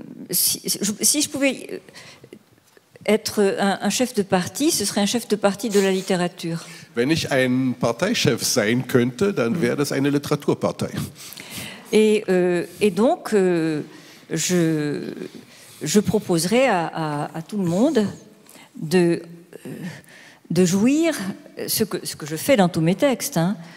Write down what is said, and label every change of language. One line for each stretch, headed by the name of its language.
French: Si je pouvais être un chef de parti, ce serait un chef de parti de la littérature.
German: Wenn ich ein Parteichef sein könnte, dann wäre das eine Literaturpartei.
French: Et donc je proposerais à tout le monde de jouir ce que je fais dans tous mes textes, hein.